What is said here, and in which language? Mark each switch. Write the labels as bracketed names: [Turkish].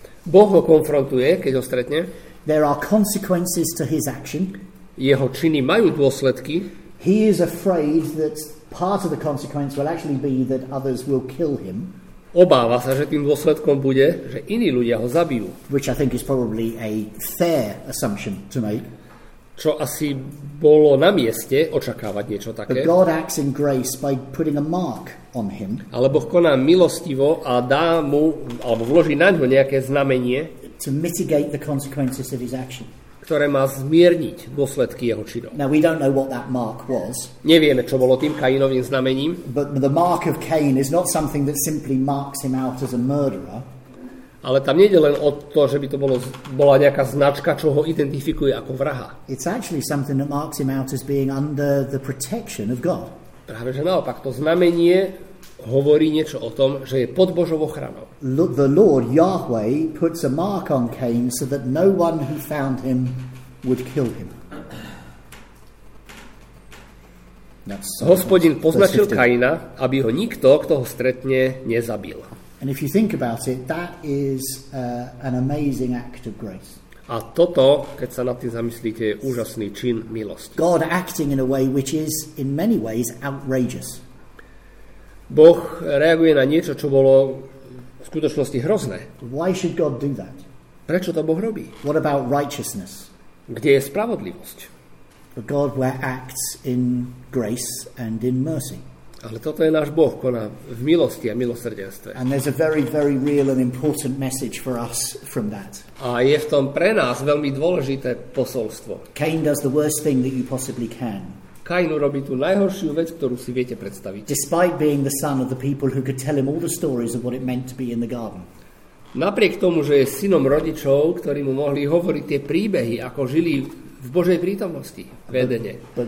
[Slovak] Boh ho konfrontuje, keď ho stretne. [English] There are consequences to his action. [Slovak] Jeho činy majú dôsledky. [English] He is afraid that part of the consequence will actually be that others will kill him. [Slovak] Obáva sa, že tým dôsledkom bude, že iní ľudia ho zabijú. [English] Which I think is probably a fair assumption to make. [Slovak] Čo asi bolo na mieste očakávať niečo také. [English] But God acts in grace by putting a mark on him. [Slovak] Ale Boh koná milostivo a dá mu, alebo vloží na ňo nejaké znamenie, [English] to mitigate the consequences of his action, [Slovak] ktoré má zmierniť dôsledky jeho činov. [English] Now we don't know what that mark was. [Slovak] Nevieme, čo bolo tým Kainovým znamením. [English] But the mark of Cain is not something that simply marks him out as a murderer. [Slovak] Ale tam nejde len o to, že by to bola nejaká značka, čo ho identifikuje ako vraha. [English] It's actually something that marks him out as being under the protection of God. [Slovak] Práve že naopak, to znamenie hovorí niečo o tom, že je pod Božou ochranou. [English] The Lord Yahweh puts a mark on Cain so that no one who found him would kill him. [Slovak] Hospodin poznačil Kaina, aby ho nikto, kto ho stretne, nezabil. [English] And if you think about it, that is an amazing act of grace. [Slovak] A toto, keď sa nad tým zamyslíte, je úžasný čin milosti. [English] God acting in a way which is in many ways outrageous. [Slovak] Boh reaguje na niečo, čo bolo v skutočnosti hrozné. [English] Why should God do that? [Slovak] Prečo to Boh robí? [English] What about righteousness? [Slovak] Kde je spravodlivosť? [English] But God acts in grace and in mercy. [Slovak] Ale toto je náš Boh, koná v milosti a milosrdenstve. [English] And there's a very, very real and important message for us from that. [Slovak] A je v tom pre nás veľmi dôležité posolstvo. [English] Cain does the worst thing that you possibly can. [Slovak] Kain urobí tú najhoršiu vec, ktorú si viete predstaviť. [English] Despite being the son of the people who could tell him all the stories of what it meant to be in the garden. [Slovak] Napriek tomu, že je synom rodičov, ktorí mu mohli hovoriť tie príbehy, ako žili v Božej prítomnosti, v Edene.